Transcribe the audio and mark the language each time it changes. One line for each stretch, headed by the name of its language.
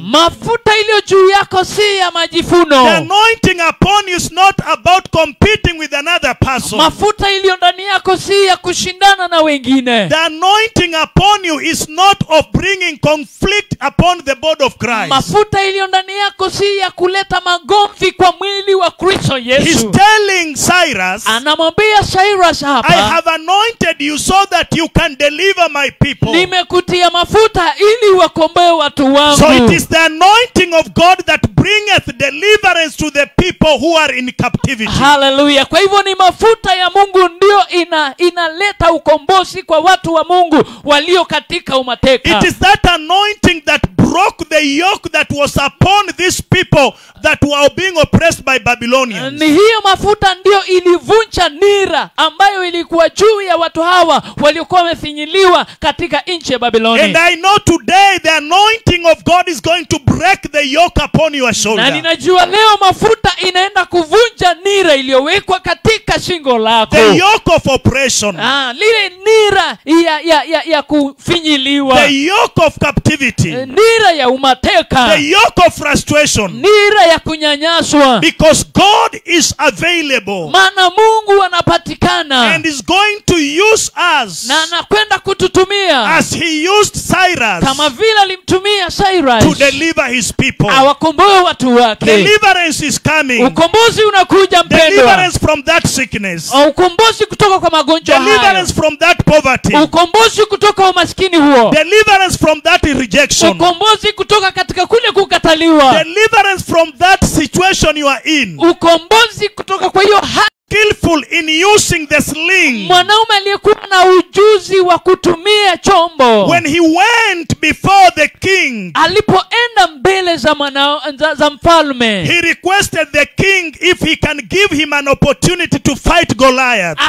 Swahili: Mafuta iliyo juu yako si ya majifuno.
English: The anointing upon you is not about competing with another person.
Swahili: Mafuta iliyo ndani yako si ya kushindana na wengine.
English: The anointing upon you is not of bringing conflict upon the body of Christ.
Swahili: Mafuta iliyo ndani yako si ya kuleta magomvi kwa mwili wa Kristo Yesu.
English: He's telling Cyrus,
Swahili: anamwambia Cyrus hapa,
English: I have anointed you so that you can deliver my people.
Swahili: Nimekutia mafuta ili wakombee watu wangu.
English: So it is the anointing of God that bringeth deliverance to the people who are in captivity. Hallelujah.
Swahili: Kwa hivyo ni mafuta ya Mungu ndio inaleta ukombozi kwa watu wa Mungu walio katika umateka.
English: It is that anointing that broke the yoke that was upon these people that were being oppressed by Babylonians.
Swahili: Ni hiyo mafuta ndio ilivunja nira ambayo ilikuwa juu ya watu hawa waliokuwa wamefinyiliwa katika nchi ya Babiloni.
English: And I know today the anointing of God is going to break the yoke upon your shoulder.
Swahili: Na ninajua leo mafuta inaenda kuvunja nira iliyowekwa katika shingo lako.
English: The yoke of oppression.
Swahili: Ah, lile nira ya kufinyiliwa.
English: The yoke of captivity.
Swahili: Nira ya umateka.
English: The yoke of frustration.
Swahili: Nira ya kunyanyaswa.
English: Because God is available.
Swahili: Maana Mungu anapatikana.
English: And is going to use us.
Swahili: Na anakwenda kututumia.
English: As he used Cyrus.
Swahili: Kama vile alimtumia Cyrus.
English: To deliver his people.
Swahili: Awakomboe watu wake.
English: Deliverance is coming.
Swahili: Ukombozi unakuja mpendwa.
English: Deliverance from that sickness.
Swahili: Ukombozi kutoka kwa magonjwa haya.
English: Deliverance from that poverty.
Swahili: Ukombozi kutoka umaskini huo.
English: Deliverance from that rejection.
Swahili: Ukombozi kutoka katika kule kukataliwa.
English: Deliverance from that situation you are in.
Swahili: Ukombozi kutoka kwa hiyo hali.
English: Skillful in using the sling.
Swahili: Mwanaume aliyekuwa na ujuzi wa kutumia chombo.
English: When he went before the king.
Swahili: Alipoenda mbele za mfalme.
English: He requested the king if he can give him an opportunity to fight Goliath.